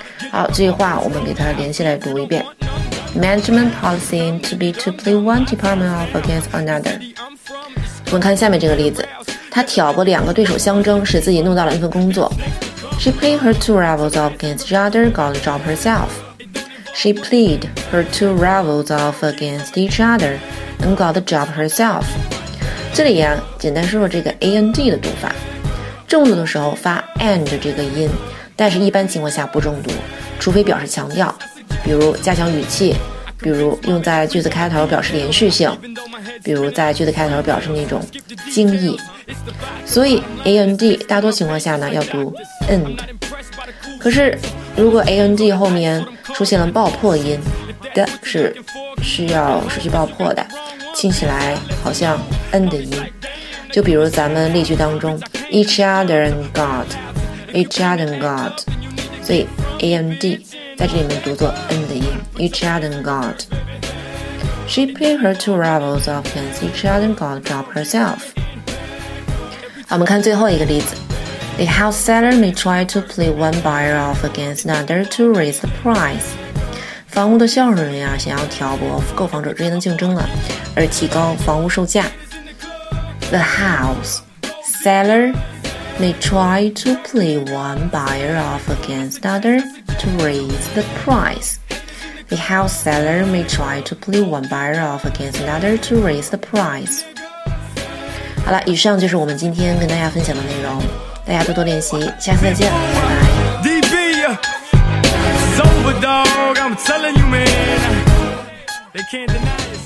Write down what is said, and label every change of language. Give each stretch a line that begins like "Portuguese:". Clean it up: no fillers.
Chinese: 好，这句话我们给它联系来读一遍。
English: Management policy to be to play one department of against another。
Chinese: 我们看下面这个例子。她挑拨两个对手相争，使自己弄到了一份工作。
English: She played her two rivals off against each other, got the job herself. She played her two rivals off against each other, and got the job herself.
Chinese: 这里呀，简单说说这个 and 的读法。重读的时候发 and 这个音，但是一般情况下不重读，除非表示强调，比如加强语气，比如用在句子开头表示连续性，比如在句子开头表示那种惊异。所以 and 大多情况下呢要读 and， 可是如果 and 后面出现了爆破音的，是需要失去爆破的，听起来好像 and 音。就比如咱们例句当中
English: each other and got，
Chinese: each other and got， 所以 and 在这里面读作 and 音， each other and got。
English: She played her two rivals off against each other and got job herself。
Chinese: 我们看最后一个例子。
English: The house seller may try to play one buyer off against another to raise the price。
Chinese: 房屋的销售人员啊，想要挑拨购房者之间的竞争了，而提高房屋售价。
English: The house seller may try to play one buyer off against another to raise the price。 The house seller may try to play one buyer off against another to raise the price。
Chinese: 好了，以上就是我们今天跟大家分享的内容，大家多多练习，下次再见，拜拜。